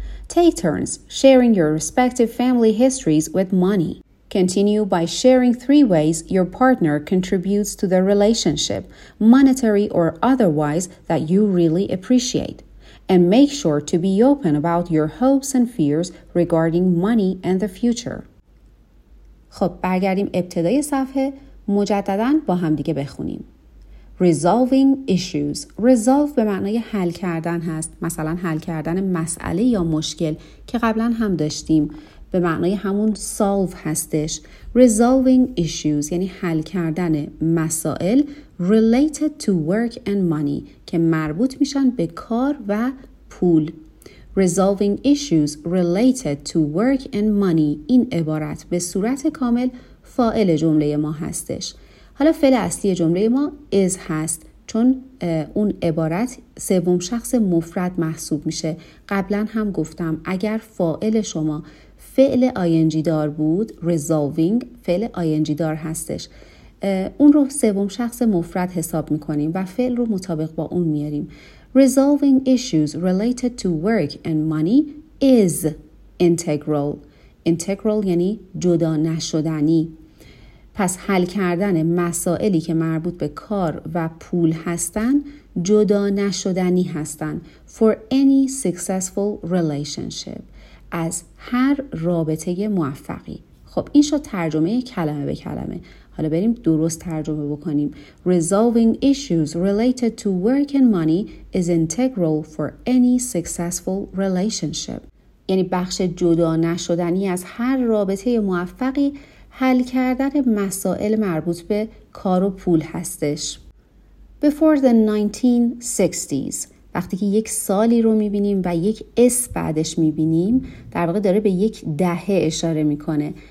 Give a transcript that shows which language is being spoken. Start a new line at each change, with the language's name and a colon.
English: Take turns sharing your respective family histories with money. Continue by sharing three ways your partner contributes to the relationship, monetary or otherwise, that you really appreciate. And make sure to be open about your hopes and fears regarding money and the future.
Persian: خب برگردیم ابتدای صفحه مجدداً با هم دیگه بخونیم.
English: Resolving issues.
Persian: Resolve به معنای حل کردن هست. مثلا حل کردن مسئله یا مشکل که قبلا هم داشتیم. به معنای همون solve هستش.
English: Resolving issues
Persian: یعنی حل کردن مسائل
English: related to work and money
Persian: که مربوط میشن به کار و پول.
English: Resolving issues related to work and money
Persian: این عبارت به صورت کامل فاعل جمله ما هستش. حالا فعل اصلی جمله ما is هست، چون اون عبارت سوم شخص مفرد محسوب میشه. قبلا هم گفتم اگر فاعل شما فعل ing دار بود، resolving فعل ing دار هستش، اون رو سوم شخص مفرد حساب میکنیم و فعل رو مطابق با اون میاریم.
English: Resolving issues related to work and money is integral.
Persian: Integral یعنی جدا نشدنی. پس حل کردن مسائلی که مربوط به کار و پول هستن جدا نشدنی هستن.
English: For any successful relationship.
Persian: از هر رابطه موفقی. خب این شد ترجمه کلمه به کلمه. حالا بریم درست ترجمه بکنیم.
English: Resolving issues related to work and money is integral for any successful relationship.
Persian: یعنی بخش جدا نشدنی از هر رابطه موفقی حل کردن مسائل مربوط به کار و پول هستش.
English: Before the 1960s.
Persian: وقتی که یک سالی رو میبینیم و یک اس بعدش میبینیم، در واقع داره به یک دهه اشاره میکنه.